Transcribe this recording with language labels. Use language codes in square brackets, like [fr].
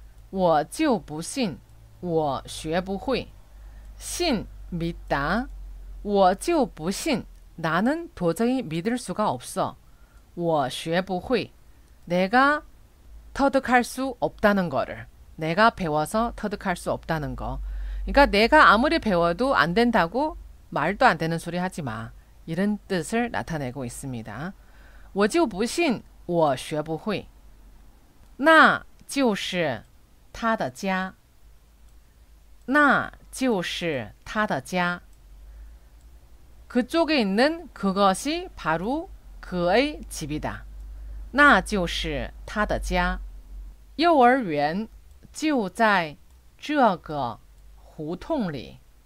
[zh] 我就不信我学不会我就不信 我学不会. 信, [ko] 믿다. [zh] 我就不信. [ko] 나는 도저히 믿을 수가 없어. [zh] 我学不会. [ko] 내가 터득할 수 없다는 거를. 내가 배워서 터득할 수 없다는 거. 그러니까 내가 아무리 배워도 안 된다고 말도 안 되는 소리 하지 마. 이런 뜻을 나타내고 있습니다. [zh] 我就不信.我学不会.那就是他的家. 那就是他的家. [ko] 그쪽에 있는 그것이 바로 그의 집이다. [zh] 那就是他的家. 幼儿园就在这个胡同里.